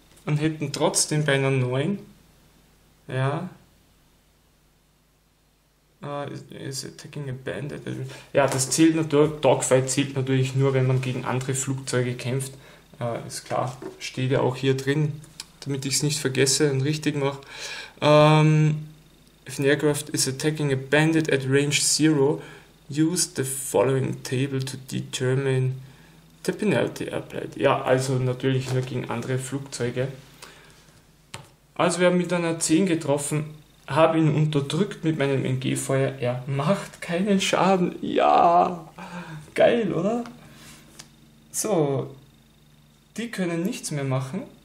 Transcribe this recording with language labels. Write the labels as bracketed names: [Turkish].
[German] Und hätten trotzdem bei einer 9, ja, [English] is attacking a bandit. [German] Ja, das zählt natürlich, Dogfight zählt natürlich nur, wenn man gegen andere Flugzeuge kämpft. Ist klar, steht ja auch hier drin, damit ich es nicht vergesse und richtig mache. [English] If an aircraft is attacking a bandit at range 0, use the following table to determine the penalty applied. [German] Ja, also natürlich nur gegen andere Flugzeuge. Also, wir haben mit einer 10 getroffen, habe ihn unterdrückt mit meinem MG-Feuer. Er macht keinen Schaden. Ja, geil, oder? So, die können nichts mehr machen.